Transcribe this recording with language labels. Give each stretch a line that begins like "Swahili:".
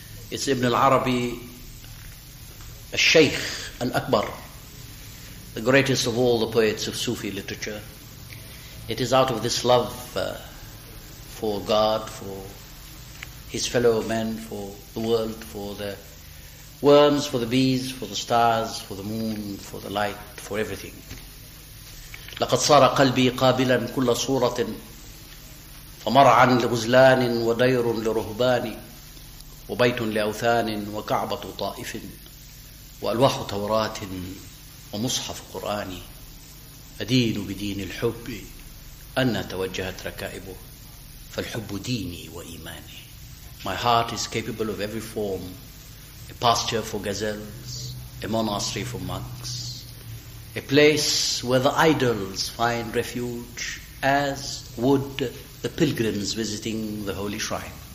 English: It's Ibn al-Arabi, a sheikh, an akbar, the greatest of all the poets of Sufi literature. It is out of this love for God, for his fellow men, for the world, for the worms, for the bees, for the stars, for the moon, for the light, for everything.
Arabic: لَقَدْ صَارَ قَلْبِي قَابِلًا كُلَّ صُورَةٍ فَمَرْعًا لِغُزْلَانٍ وَدَيْرٌ لِرُهْبَانٍ وبيت لأوثان وكعبة طائف وألواح توراة ومصحف قرآن أدين بدين الحب أن توجهت ركائبه فالحب ديني وإيماني.
English: My heart is capable of every form, a pasture for gazelles, a monastery for monks, a place where the idols find refuge, as would the pilgrims visiting the holy shrine.